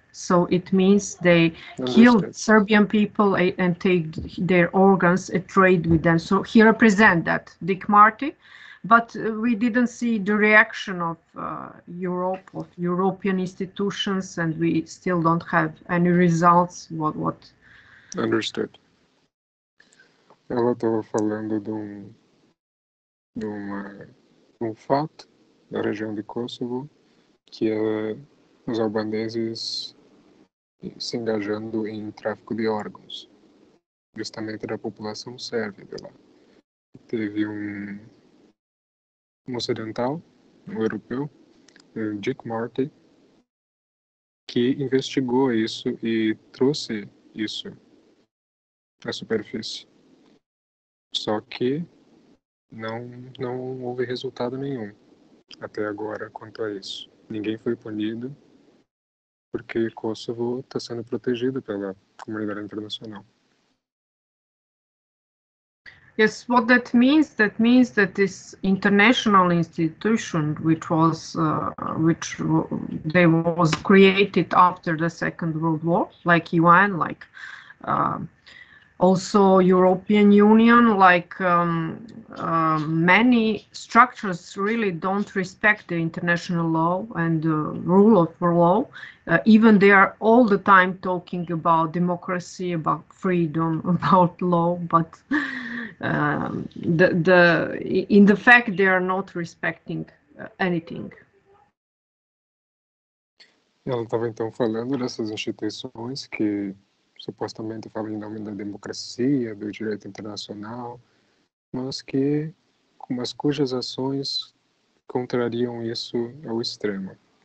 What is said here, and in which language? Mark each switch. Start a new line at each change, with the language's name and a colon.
English: So it means they killed Serbian people and take their organs and trade with them. So he represent that, Dick Marty. But we didn't see the reaction of Europe, of European institutions, and we still don't have any results. What? Understood.
Portuguese: Ela estava falando de um fato da região de Kosovo, que é os albaneses se engajando em tráfico de órgãos, justamente da população sérvia de lá. Teve um ocidental, um europeu, Dick Marty, que investigou isso e trouxe isso à superfície. Só que não houve resultado nenhum até agora quanto a isso. Ninguém foi punido porque Kosovo está sendo protegido pela comunidade internacional.
English: Yes, what that means that this international institution, which was created after the Second World War, like UN, like also European Union, like many structures really don't respect the international law and the rule of law. Even they are all the time talking about democracy, about freedom, about law, but in fact they are not respecting anything.
Portuguese: Ela estava então falando dessas instituições que supostamente falam em nome da democracia, do direito internacional, mas cujas ações contrariam isso ao extremo.